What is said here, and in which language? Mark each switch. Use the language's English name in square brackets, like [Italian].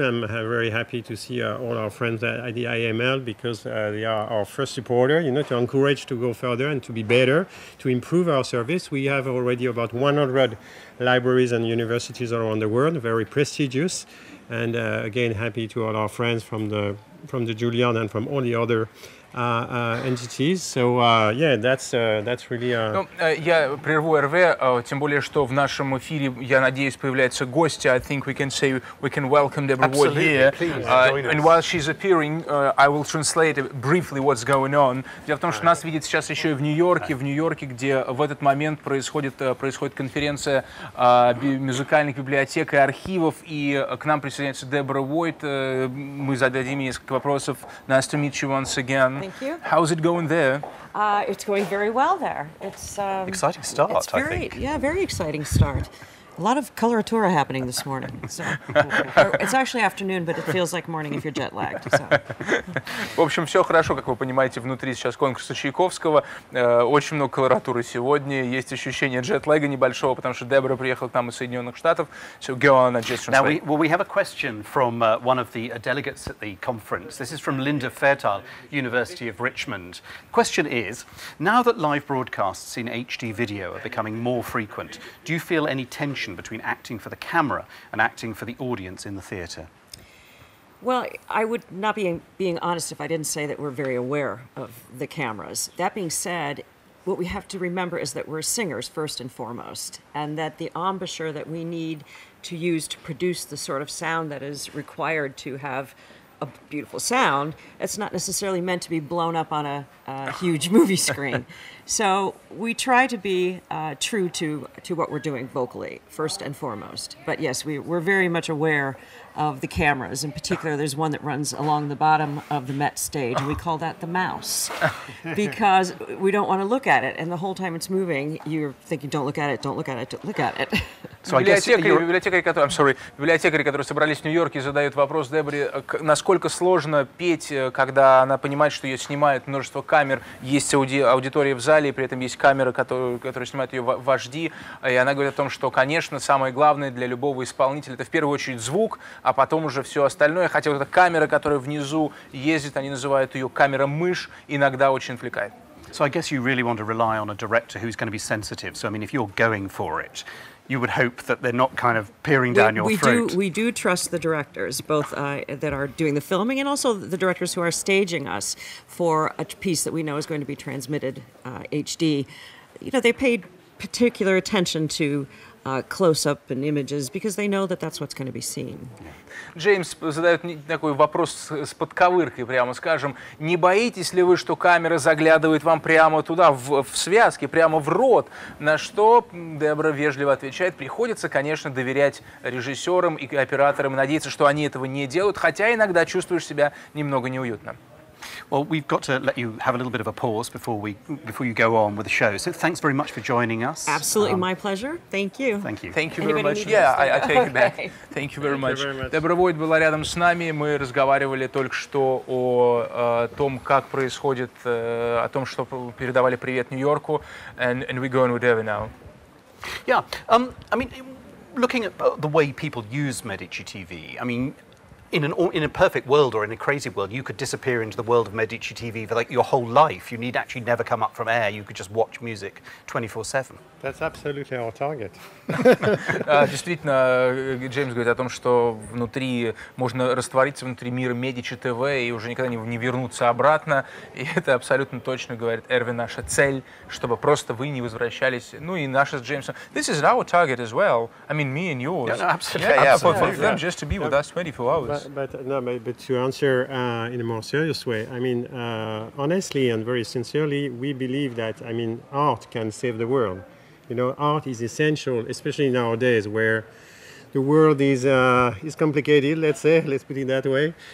[English] I'm very happy to see all our friends at the IML because they are our first supporter, you know, to encourage to go further and to be better, to improve our service. We have already about 100 libraries and universities around the world, very prestigious. And again, happy to all our friends from the Juilliard and from all the other entities. So yeah, that's really. [Russian] Ну, я прерву Эрве, тем более что в нашем эфире, я надеюсь, появляются гости. [English] I think we can welcome Deborah Ward here. Absolutely, please join us. And while she's appearing, I will translate briefly what's going on. [Russian] Дело в том, что нас видят сейчас еще и в Нью-Йорке, где в этот момент происходит конференция музыкальных библиотек и архивов, и к нам присоединяется Дебора Войт. Мы зададим ей несколько вопросов. [English] Nice to meet you once again. Thank you. How's it going there? It's going very well there. It's exciting start, it's very, I think. Yeah, very exciting start. A lot of coloratura happening this morning. It's actually afternoon, but it feels like morning if you're jet-lagged. [Russian] В общем, все хорошо, как вы понимаете, внутри сейчас конкурса Чайковского. Очень много колоратуры сегодня. Есть ощущение jet-lag'а небольшого, потому что Дебора приехала к нам из Соединенных Штатов. [English] So go on, just translate. Now, we have a question from one of the delegates at the conference. This is from Linda Fairchild, University of Richmond. Question is, now that live broadcasts in HD video are becoming more frequent, do you feel any between acting for the camera and acting for the audience in the theater? Well, I would not be being honest if I didn't say that we're very aware of the cameras. That being said, what we have to remember is that we're singers first and foremost, and that the embouchure that we need to use to produce the sort of sound that is required to have a beautiful sound, it's not necessarily meant to be blown up on a huge movie screen. So we try to be true to what we're doing vocally, first and foremost. But yes, we're very much aware of the cameras. In particular, there's one that runs along the bottom of the Met stage. We call that the mouse because we don't want to look at it. And the whole time it's moving, you're thinking, don't look at it, don't look at it, don't look at it. [Russian] So библиотекари, которые собрались в Нью-Йорке, задают вопрос Дебри, насколько сложно петь, когда она понимает, что ее снимает множество камер, есть аудитория в зале, и при этом есть камера, которая снимает ее в HD. И она говорит о том, что, конечно, самое главное для любого исполнителя, это в первую очередь звук, а потом уже все остальное. Хотя вот эта камера, которая внизу ездит, они называют ее камера-мышь, иногда очень отвлекает. [English] So I guess you really want to rely on a director who's going to be sensitive. So, I mean, if you're going for it, you would hope that they're not kind of peering down your throat. We do trust the directors, both that are doing the filming and also the directors who are staging us for a piece that we know is going to be transmitted HD. You know, they paid particular attention to close-up and images, because they know that that's what's going to be seen. [Russian] Джеймс задает такой вопрос с подковыркой, прямо скажем. Не боитесь ли вы, что камера заглядывает вам прямо туда, в связки, прямо в рот? На что Дебора вежливо отвечает. Приходится, конечно, доверять режиссерам и операторам, и надеяться, что они этого не делают, хотя иногда чувствуешь себя немного неуютно. [English] Well, we've got to let you have a little bit of a pause before you go on with the show. So thanks very much for joining us. Absolutely, my pleasure. Thank you. Thank you. Thank you very much. Yeah, I take it back. Thank you very much. [Russian] Дебора Войт была рядом с нами. Мы разговаривали только что о том, как происходит, о том, что передавали привет Нью-Йорку. [English] And we're going with Debbie now. Yeah. I mean, looking at the way people use Medici TV, I mean, In a perfect world or in a crazy world, you could disappear into the world of Medici TV for like your whole life. You need actually never come up from air. You could just watch music 24/7. That's absolutely our target. [Russian] Действительно, Джеймс говорит о том, что внутри можно раствориться внутри мира Medici TV и уже никогда не вернуться обратно. И это абсолютно точно говорит Эрвин, наша цель, чтобы просто вы не возвращались. Ну и наша с Джеймсом. [English] This is our target as well. I mean, me and yours. Yeah, no, absolutely. Yeah, absolutely. For them, just to be with us 24 hours. But to answer in a more serious way, I mean, honestly and very sincerely, we believe that, I mean, art can save the world. You know, art is essential, especially nowadays where the world is complicated, let's say, let's put it that way.